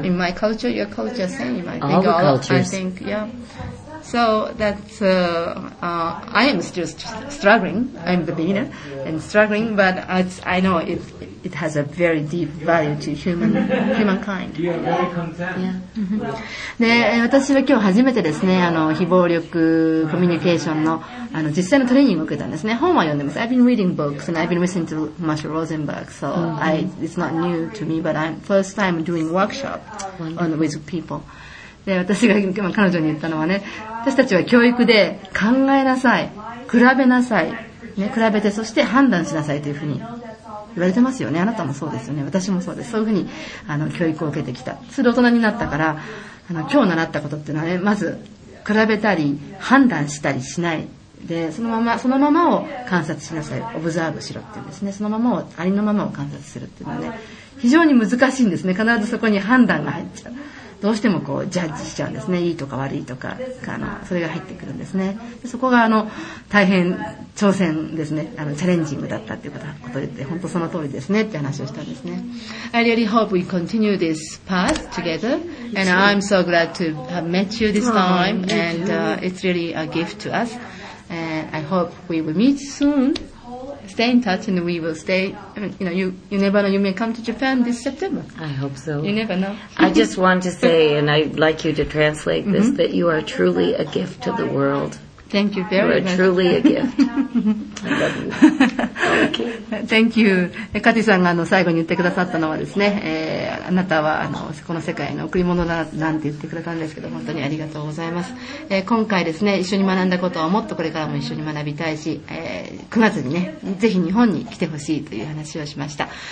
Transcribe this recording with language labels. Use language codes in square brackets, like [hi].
[en] In my culture, your culture, same. All the cultures. I think, yeah. So that's, I am still struggling. I'm the beginner and struggling, but I know it has a very deep value to humankind. Yeah. [ja] で、私は今日初めてですね、あの、非暴力コミュニケーションの、あの、実際のトレーニングを受けたんですね。本は読んでます。 [en] I've been reading books and I've been listening to Marshall Rosenberg, so it's not new to me, but I'm first time doing workshop with people. [ja] で、私が今彼女に言ったのはね、私たちは教育で考えなさい、比べなさい、ね、比べてそして判断しなさいというふうに言われてますよね。あなたもそうですよね。私もそうです。そういうふうに、あの、教育を受けてきた。それで大人になったから、あの、今日習ったことっていうのはね、まず、比べたり、判断したりしない。で、そのままを観察しなさい。オブザーブしろっていうんですね。そのままを、ありのままを観察するっていうのはね、非常に難しいんですね。必ずそこに判断が入っちゃう。どうしてもこうジャッジしちゃうんですね。いいとか悪いとか、あの、それが入ってくるんですね。そこが、あの、大変挑戦ですね。あの、チャレンジングだったっていうことを言って、本当その通りですねって話をしたんですね。 [en] I really hope we continue this path together, and I'm so glad to have met you this time, and it's really a gift to us, and I hope we will meet soon. Stay in touch and we will stay. I mean, you know, you never know. You may come to Japan this September. I hope so. You never know. I just want to say, and I'd like you to translate this, that you are truly a gift to the world. Thank you very much. You are truly a gift. I love you. Thank you. [ja] カティさんが最後に言ってくださったのはですね、あなたはこの世界の贈り物だなんて言ってくれたんですけど、本当にありがとうございます。今回ですね、一緒に学んだことをもっとこれからも一緒に学びたいし、9月にね、ぜひ日本に来てほしいという話をしました。